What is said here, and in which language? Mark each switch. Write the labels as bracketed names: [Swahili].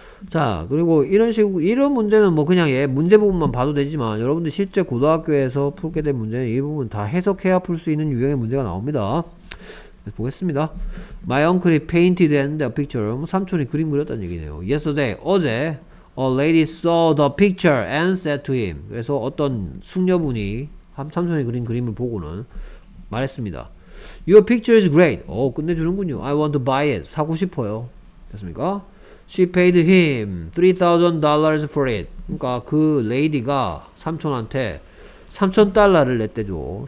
[Korean] 자, 그리고 이런 식으로 이런 문제는 뭐 그냥 얘 문제 부분만 봐도 되지만 여러분들 실제 고등학교에서 풀게 된 문제는 이 부분 다 해석해야 풀 수 있는 유형의 문제가 나옵니다. [English] 보겠습니다. My uncle painted the picture. [Korean] 삼촌이 그림 그렸다는 얘기네요. [English] Yesterday, 어제 a lady saw the picture and said to him. [Korean] 그래서 어떤 숙녀분이 삼촌이 그린 그림을 보고는 말했습니다. [English] Your picture is great. 오, 끝내주는군요. I want to buy it. 사고 싶어요. 됐습니까? She paid him $3,000 for it. [Korean] 그러니까 그 레이디가 삼촌한테 $3,000를 냈대죠.